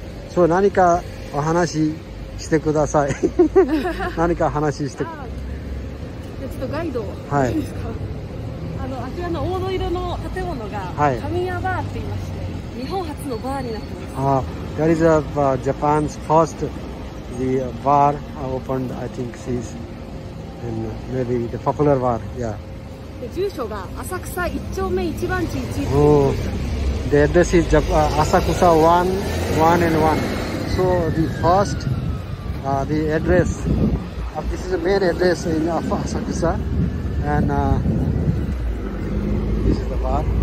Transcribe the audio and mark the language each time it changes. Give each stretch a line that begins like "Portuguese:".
Japanese: そう、何かお話ししてください。何か話して、あ、じゃあちょっとガイドを、はい、いいですか。あの、あちらの黄土色の建物が、はい、神谷バーって言いまして、日本初のバーになってます。
English: あ、That is a, Japan's first the bar opened, I think, since and maybe the popular bar, yeah.
Japanese: 住所が浅草1丁目1番地1号。
English: Oh, the address is Asakusa 1 and 1. So the first, the address, this is the main address in Asakusa, and this is the bar.